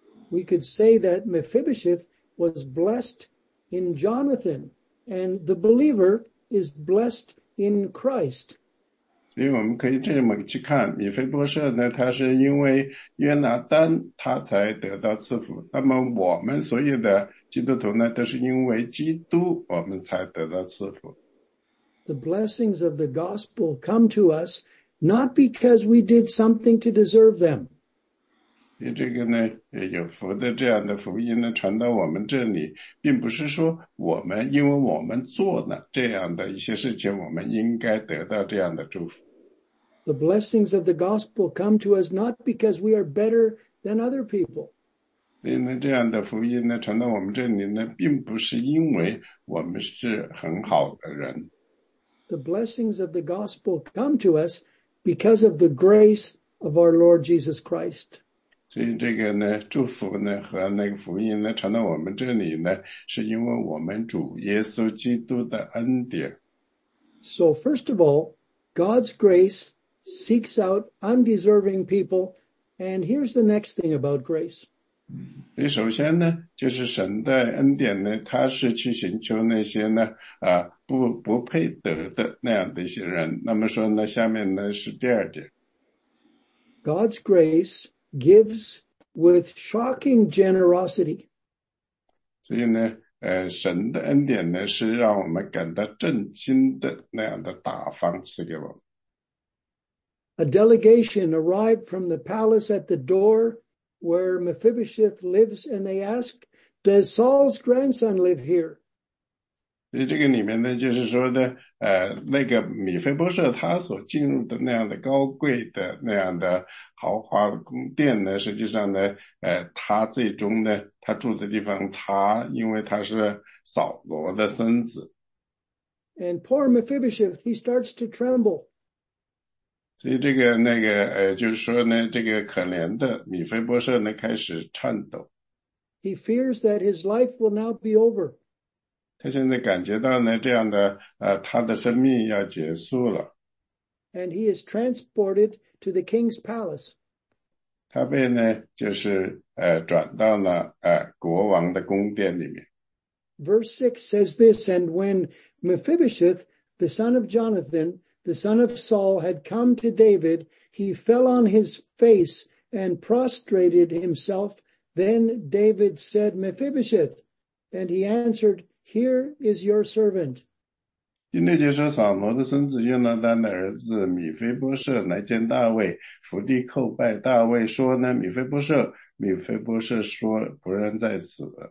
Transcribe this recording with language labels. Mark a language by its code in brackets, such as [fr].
[en] We could say that Mephibosheth was blessed in Jonathan, and the believer is blessed in Christ. [zh] 所以我们可以这么去看，米菲波设呢，他是因为约拿单他才得到赐福。那么我们所有的基督徒呢，都是因为基督我们才得到赐福。 [en] The blessings of the gospel come to us not because we did something to deserve them. [zh] 所以这个呢，有福的这样的福音呢，传到我们这里，并不是说我们因为我们做了这样的一些事情，我们应该得到这样的祝福。 [en] The blessings of the gospel come to us not because we are better than other people. [zh] 所以呢，这样的福音呢，传到我们这里呢，并不是因为我们是很好的人。 [en] The blessings of the gospel come to us because of the grace of our Lord Jesus Christ. [zh] 所以这个呢，祝福呢和那个福音呢传到我们这里呢，是因为我们主耶稣基督的恩典。 [en] So first of all, God's grace seeks out undeserving people, and here's the next thing about grace. [zh] 所以首先呢，就是神的恩典呢，他是去寻求那些呢不配得的那样的一些人。那么说呢，下面呢是第二点。 [en] God's grace. Gives with shocking generosity. [zh] 所以呢，神的恩典呢，是让我们感到震惊的那样的大方赐给我们。 [en] A delegation arrived from the palace at the door where Mephibosheth lives, and they ask, "Does Saul's grandson live here?" [zh] 所以这个里面呢，就是说呢，那个米菲波设他所进入的那样的高贵的那样的豪华宫殿呢，实际上呢，他最终呢，他住的地方，他因为他是扫罗的孙子。 [en] And poor Mephibosheth, he starts to tremble. [zh] 所以这个那个就是说呢，这个可怜的米菲波设呢，开始颤抖。 [en] He fears that his life will now be over. [zh] 他现在感觉到呢，这样的他的生命要结束了。 [en] And he is transported to the king's palace. [zh] 他被呢，就是转到了国王的宫殿里面。 [en] Verse 6 says this, and when Mephibosheth, the son of Jonathan, the son of Saul, had come to David, he fell on his face and prostrated himself. Then David said, Mephibosheth, and he answered, Here is your servant. [zh] 今天就是撒罗的孙子约拿丹的儿子米非波设来见大卫，伏地叩拜大卫说呢，米非波设，米非波设说仆人在此。